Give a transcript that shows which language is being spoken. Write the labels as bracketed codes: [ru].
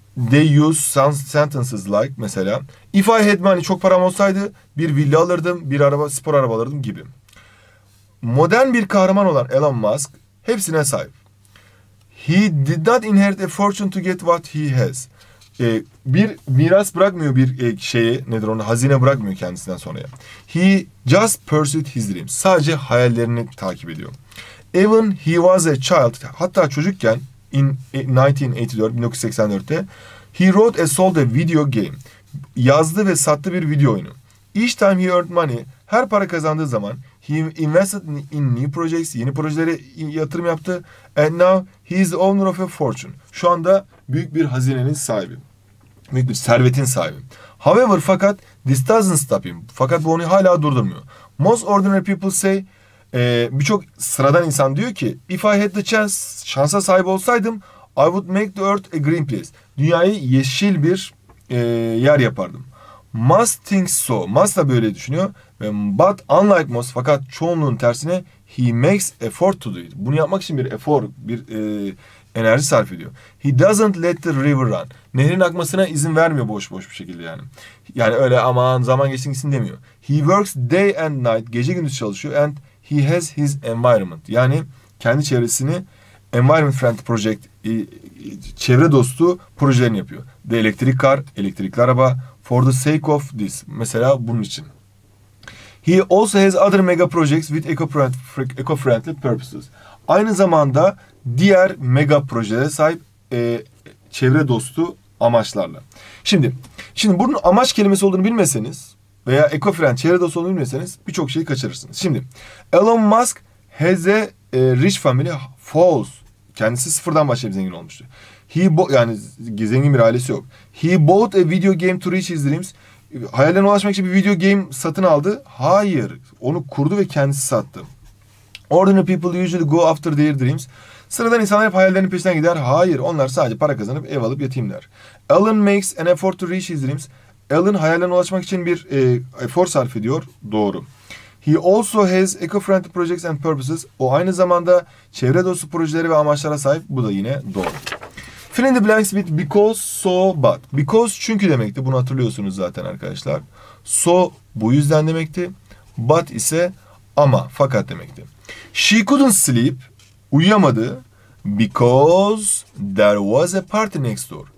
[en] They use some sentences like [tr] mesela [en] if I had money [tr] çok param olsaydı bir villa alırdım, bir araba, spor araba alırdım gibi. Modern bir kahraman olan Elon Musk hepsine sahip. [en] He did not inherit a fortune to get what he has. [tr] Bir miras bırakmıyor bir şeye, nedir onu, hazine bırakmıyor kendisinden sonraya. [en] He just pursued his dreams. [tr] Sadece hayallerini takip ediyor. [en] Even he was a child, [tr] hatta çocukken [en] in 1984'te he wrote and sold a video game. [tr] Yazdı ve sattı bir video oyunu. [en] Each time he earned money, [tr] her para kazandığı zaman [en] he invested in new projects, [tr] yeni projelere yatırım yaptı. [en] And now he is the owner of a fortune. [tr] Şu anda büyük bir hazinenin sahibi. Büyük bir servetin sahibi. However, fakat [en] this doesn't stop him. [tr] Fakat bu onu hala durdurmuyor. [en] Most ordinary people say, [tr] birçok sıradan insan diyor ki, [en] if I had the chance, [tr] şansa sahip olsaydım, [en] I would make the earth a green place. [tr] Dünyayı yeşil bir yer yapardım. [en] Must think so. [tr] Must da böyle düşünüyor. [en] But unlike most, [tr] fakat çoğunluğun tersine, [en] he makes effort to do it. [tr] Bunu yapmak için bir efor, bir enerji sarf ediyor. [en] He doesn't let the river run. [tr] Nehrin akmasına izin vermiyor boş boş bir şekilde yani. Yani öyle aman zaman geçsin gitsin demiyor. [en] He works day and night, [tr] gece gündüz çalışıyor. [en] And he has his environment. [tr] Yani kendi çevresini [en] environment friend project, [tr] çevre dostu projelerini yapıyor. [en] The electric car, [tr] elektrikli araba. [en] For the sake of this. [tr] Mesela bunun için. [en] He also has other mega projects with eco-friendly purposes. [tr] Aynı zamanda diğer mega projelere sahip çevre dostu amaçlarla. Şimdi bunun amaç kelimesi olduğunu bilmeseniz veya eco-friendly çevre dostu olduğunu bilmeseniz birçok şeyi kaçırırsınız. [en] Şimdi Elon Musk has a rich family falls. [tr] Kendisi sıfırdan başlayıp zengin olmuştu. Yani zengin bir ailesi yok. [en] He bought a video game to reach his dreams. [tr] Hayallerine ulaşmak için bir video game satın aldı. Hayır. Onu kurdu ve kendisi sattı. [en] Ordinary people usually go after their dreams. [tr] Sıradan insanlar hep hayallerinin peşinden gider. Hayır. Onlar sadece para kazanıp ev alıp yatayım der. [en] Alan makes an effort to reach his dreams. [tr] Alan hayallerine ulaşmak için bir efor sarf ediyor. Doğru. [en] He also has eco-friendly projects and purposes. [tr] O aynı zamanda çevre dostu projeleri ve amaçlara sahip. Bu da yine doğru. [en] Fill in the blanks with because, so, but. [tr] Because çünkü demekti. Bunu hatırlıyorsunuz zaten arkadaşlar. So bu yüzden demekti. But ise ama, fakat demekti. [en] She couldn't sleep. [tr] Uyuyamadı. [en] Because there was a party next door.